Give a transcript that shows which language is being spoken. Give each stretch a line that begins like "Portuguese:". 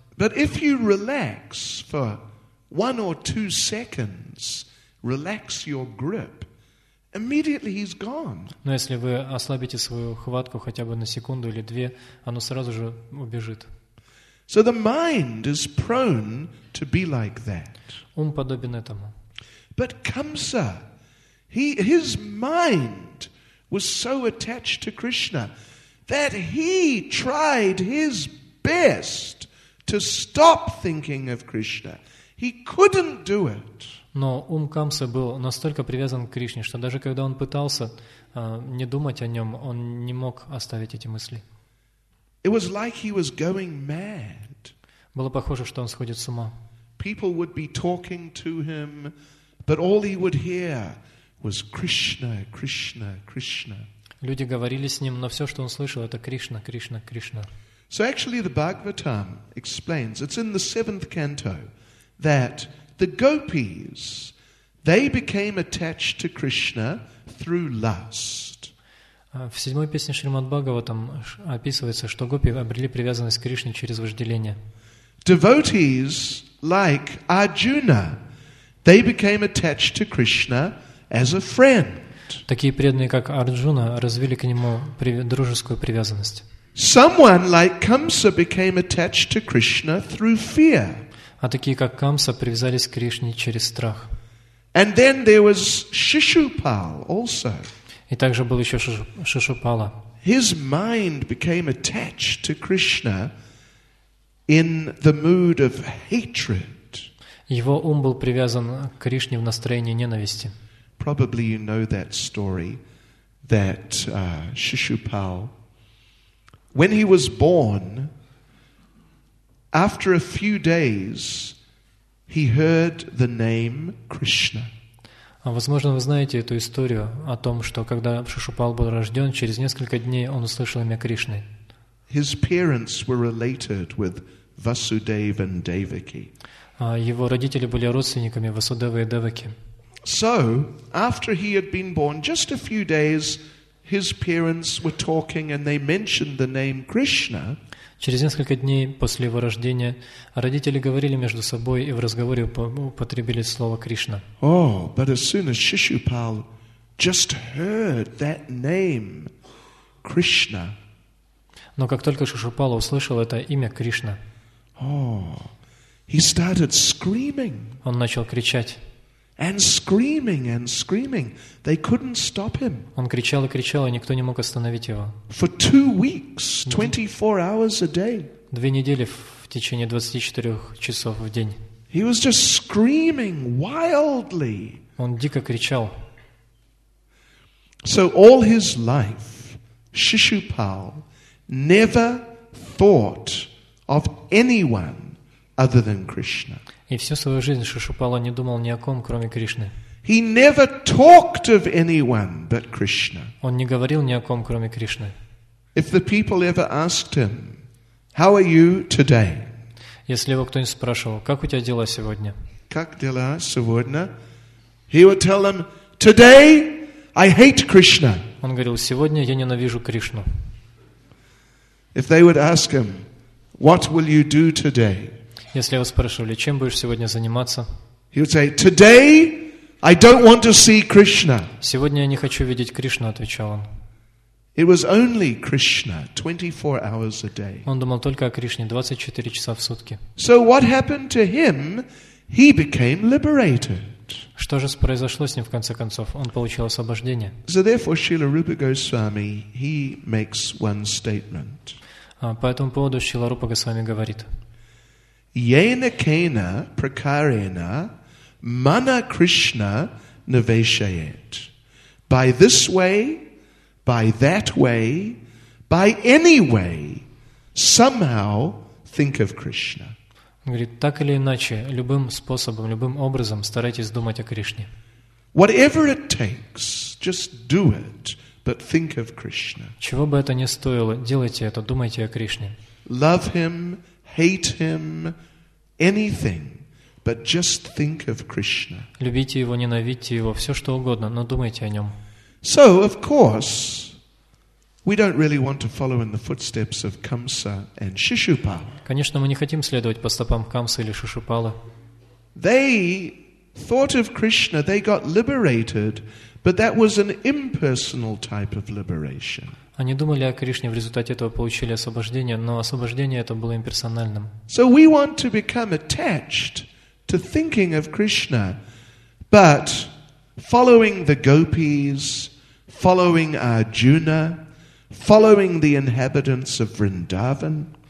English: But if you relax for one or two seconds, relax your grip, immediately he's gone.
Russian: Но если вы ослабите свою хватку хотя бы на секунду или две, оно сразу же убежит.
English: So the mind is prone to be like that.
Russian: Ум подобен этому.
English: But Kamsa, his mind was so attached to Krishna that he tried his best to stop thinking of Krishna. He couldn't do it.
Russian: Но ум Камсы был настолько привязан к Кришне, что даже когда он пытался не думать о нем, он не мог оставить эти мысли.
English: It was like he was going mad.
Russian: Было похоже, что он сходит с ума.
English: People would be talking to him, but all he would hear was Krishna, Krishna, Krishna.
Russian: Люди говорили с ним, но все, что он слышал, это Кришна, Кришна, Кришна.
English: So actually the Bhagavatam explains, it's in the seventh canto, that the gopis, they became attached to Krishna through lust.
Russian: В седьмой песне Шримад-Бхагаватам описывается, что гопи обрели привязанность к Кришне через вожделение.
English: Devotees, like Arjuna, they became attached to Krishna as a friend.
Russian: Такие преданные, как Арджуна, развили к нему дружескую привязанность.
English: Someone like Kamsa became attached to Krishna through fear.
Russian: А такие, как Камса, привязались к Кришне через страх.
English: And then there was Shishupal also.
Russian: И также был еще Шишупала.
English: His mind became attached to Krishna in the mood of hatred.
Russian: Его ум был привязан к Кришне в настроении ненависти.
English: Probably you know that story that Shishupal, when he was born, after a few days, he heard the name Krishna.
Russian: Возможно, вы знаете эту историю о том, что когда Шишупал был рожден, через несколько дней он услышал имя Кришны.
English: His parents were related with Vasudeva and Devaki.
Russian: Его родители были родственниками Васудевы и Деваки.
English: So, after he had been born, just a few days, his parents were talking and they mentioned the name Krishna.
Russian: Через несколько дней после его рождения родители говорили между собой и в разговоре употребили слово Кришна.
English: Oh, but as soon as Shishupal just heard that name, Krishna.
Russian: Но как только Шишупал услышал это имя Кришна,
English: oh, he started screaming.
Russian: Он начал кричать.
English: And screaming and screaming, they couldn't stop him.
Russian: Он кричал и кричал, и никто не мог остановить его.
English: For 2 weeks, 24 hours a day.
Russian: Две недели в течение 24 часов в день.
English: He was just screaming wildly.
Russian: Он дико кричал.
English: So all his life, Shishupal never thought of anyone other than Krishna.
Russian: И всю свою жизнь Шишупала не думал ни о ком, кроме Кришны.
English: He never talked of anyone but Krishna.
Russian: Он не говорил ни о ком, кроме Кришны.
English: If the people ever asked him, "How are you today?"
Russian: Если его кто-нибудь спрашивал, как у тебя дела сегодня? Как дела сегодня?
English: He would tell them, "Today I hate Krishna."
Russian: Он говорил: "Сегодня я ненавижу Кришну."
English: If they would ask him, "What will you do today?"
Russian: Если его спрашивали, чем будешь сегодня заниматься?
English: He would say, "Today I don't want to see Krishna."
Russian: Сегодня я не хочу видеть Кришну, отвечал он.
English: It was only Krishna, 24 hours a day.
Russian: Он думал только о Кришне 24 часа в сутки.
English: So what happened to him? He became liberated.
Russian: Что же произошло с ним в конце концов? Он получил освобождение.
English: So therefore, Srila Rupa Goswami, he makes one statement.
Russian: По этому поводу Шрила Рупа Госвами говорит.
Sanskrit: Yena kena prakarena mana Krishna naveshayet.
English: By this way, by that way, by any way, somehow think of Krishna.
Russian: Он говорит, так или иначе, любым способом, любым образом старайтесь думать о Кришне.
English: Whatever it takes, just do it, but think of Krishna.
Russian: Чего бы это ни стоило, делайте это, думайте о Кришне.
English: Love him, hate him, anything, but just think of Krishna.
Russian: Любите его, ненавидьте его, все что угодно, но думайте о нем.
English: So, of course, we don't really want to follow in the footsteps of Kamsa and Shishupala.
Russian: Конечно, мы не хотим следовать по стопам Камсы или Шишупалы.
English: They thought of Krishna, they got liberated, but that was an impersonal type of liberation.
Russian: Они думали о Кришне, в результате этого получили освобождение, но освобождение это было имперсональным.
English: So we want to become attached to thinking of Krishna, but following the gopis, following Arjuna, following the inhabitants of Vrindavan.